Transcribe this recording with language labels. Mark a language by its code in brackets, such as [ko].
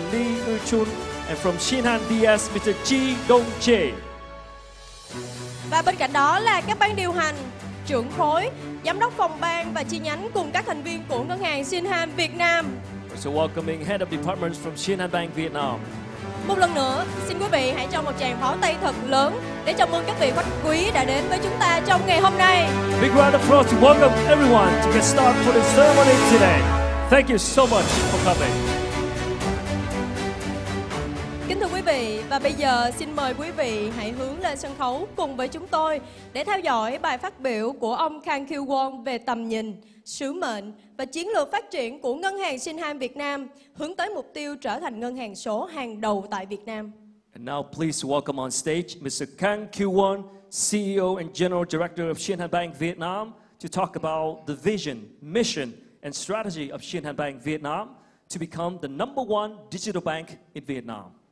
[en] Lee Ngu Chun, and from Shinhan DS, Mr. Chi Dong Jae. [vi] Và bên cạnh đó là các ban điều hành, trưởng khối, giám đốc phòng ban và chi nhánh cùng các thành viên của ngân hàng Shinhan Việt Nam. [en] So welcoming head of departments from Shinhan Bank Vietnam. [vi] Một lần nữa, xin quý vị hãy cho một tràng pháo tay thật lớn để chào mừng các vị khách quý đã đến với chúng ta trong ngày hôm nay. [en] Big round of applause to welcome everyone to get started for the ceremony today. Thank you so much for coming. [vi] Và bây giờ xin mời quý vị hãy hướng lên sân khấu cùng với chúng tôi để theo dõi bài phát biểu của ông Kang Kyu Won về tầm nhìn, sứ mệnh và chiến lược phát triển của Ngân hàng Shinhan Việt Nam hướng tới mục tiêu trở thành ngân hàng số hàng đầu tại Việt Nam. [en] And now please welcome on stage Mr. Kang Kyu Won, CEO and General Director of Shinhan Bank Vietnam to talk about the vision, mission and strategy of Shinhan Bank Vietnam to become the number one digital bank in Vietnam.